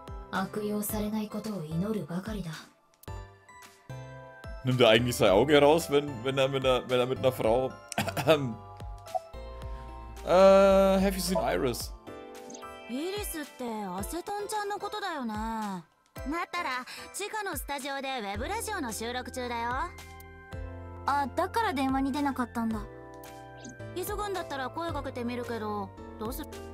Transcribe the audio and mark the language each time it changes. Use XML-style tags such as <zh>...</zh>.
<ja>悪用されないことを祈るばかりだ。</ja> <de>Nimmt er eigentlich sein Auge heraus, wenn er mit einer Frau.</de> <en>have you seen Iris?</en> <ja>イリスってアセトンちゃんのことだよね。なったら地下のスタジオでウェブラジオの収録中だよ。あ、だから電話に出なかったんだ。急ぐんだったら声かけてみるけど、どうする？</ja>